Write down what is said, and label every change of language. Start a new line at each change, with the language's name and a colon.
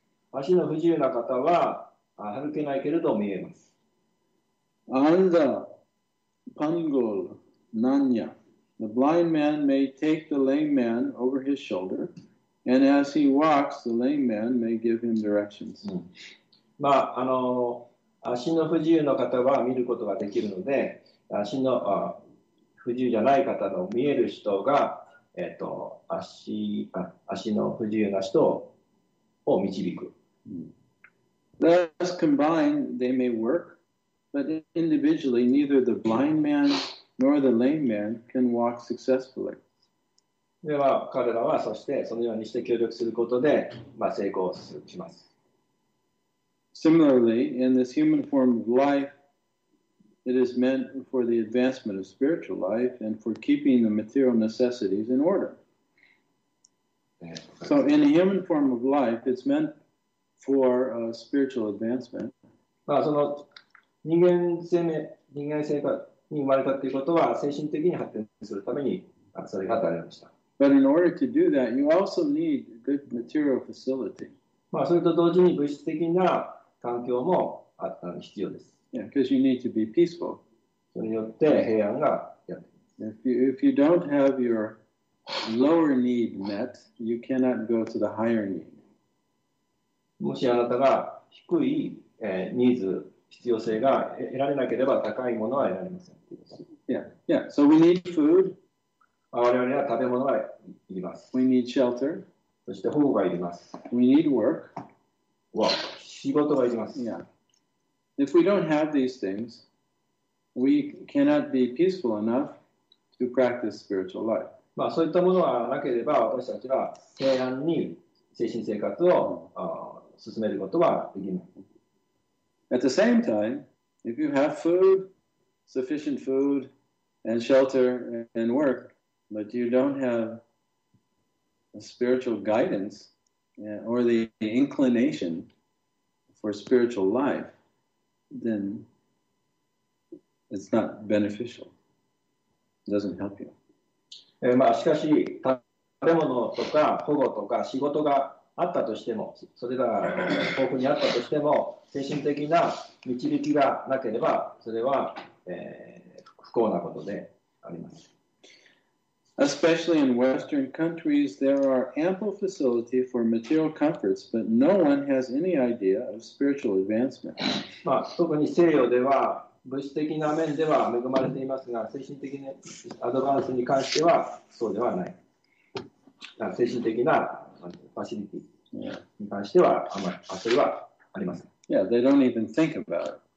Japanese: 足の不自由な方は歩けないけれど見えます。 Anda pangol nanya.
English: The blind man may take the lame man over his shoulder, and as he walks, the lame man may give him directions.、うん、
Japanese: まあ、あの、足の不自由の方は見ることができるので、足の不自由じゃない方の見える人が、足の不自由な人を導く。
English: うん、Thus combined, they may work, but individually, neither the blind man... Nor the lame man can walk successfully.
Japanese: では彼らはそしてそのようにして協力することで、まあ、成功します。
English: Similarly, in this human form of life, it is meant for the advancement of spiritual life and for keeping the material necessities in order. So in a human form of life, it's meant for spiritual advancement.
Japanese: まあその人間性が生まれたということは精神的に発展するためにそれが与えられました。
English: But in order to do that, you also need good material facility.
Japanese: まあそれと同時に物質的な環境も必要です。
English: Yeah, because you need to be peaceful.
Japanese: それによって平安がやってきます。
English: If you don't have your lower need met, you cannot go to the higher need.
Japanese: もしあなたが低い、ニーズ必要性が得られなければ高いものは得られません。
English: Yeah, yeah. So we need food.
Japanese: 我々は食べ物がいります。
English: We need shelter.
Japanese: そして保護がいります。
English: We need work.
Japanese: Work. 仕事がいります。
English: Yeah. If we don't have these things, we cannot be peaceful enough to practice spiritual life.
Japanese: まあそういったものがなければ私たちは平安に精神生活を進めることはできない。
English: At the same time, if you have food, sufficient food, and shelter, and work, but you don't have a spiritual guidance or the inclination for spiritual life, then it's not beneficial. It doesn't help you.
Japanese: まあ、しかし、食べ物とか保護とか仕事があったとしても、それが豊富にあったとしても、精神的な導きがなければ、それは、不幸なことであります。
English: Especially in Western countries, there are ample facility for material comforts, but no one has any idea of spiritual advancement.
Japanese: まあ、特に西洋では、物質的な面では恵まれていますが、精神的なアドバンスに関してはそうではない。精神的なファシリティに関してはあまり、それはありません。
English: Yeah, they don't even think about it.